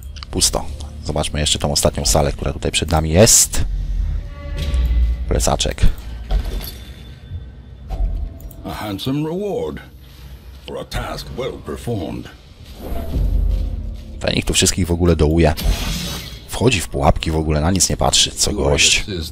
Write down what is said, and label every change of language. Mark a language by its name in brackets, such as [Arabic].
[Polish] Pusto. Zobaczmy jeszcze tą ostatnią salę, która tutaj przed nami jest. Plecaczek. [English] A handsome reward for a task well performed. [Polish] Fenik tu wszystkich w ogóle dołuje. Wchodzi w pułapki, w ogóle na nic nie patrzy, co gość.